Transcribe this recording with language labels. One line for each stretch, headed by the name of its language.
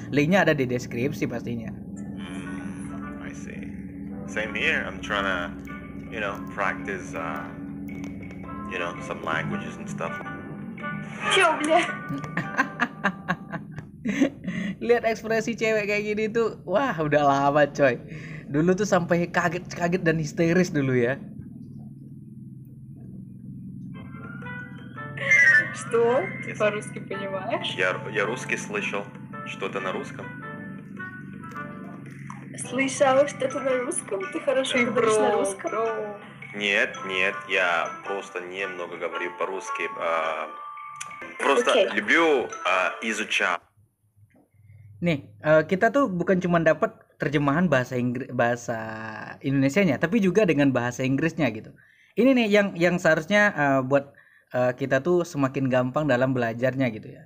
Indonesian: Linknya ada di deskripsi pastinya.
English: I see. Same here. I'm trying to, you know, practice. You know, some languages and stuff.
Indonesian: Coba. Lihat ekspresi cewek kayak gini tuh, wah udah lama coy. Dulu tuh sampai kaget-kaget dan histeris dulu ya.
Russian: Что? Ты по-русски понимаешь? Я русский слышал. Что-то на русском. Слышал что-то на русском? Ты хорошо говоришь на русском? Нет, нет, я просто немного говорю по-русски. Просто okay. Люблю изучать.
Indonesian: Нih, kita tuh bukan cuma dapat terjemahan bahasa Inggris, bahasa Indonesianya, tapi juga dengan bahasa Inggrisnya gitu. Ini nih yang seharusnya buat kita tuh semakin gampang dalam belajarnya gitu ya.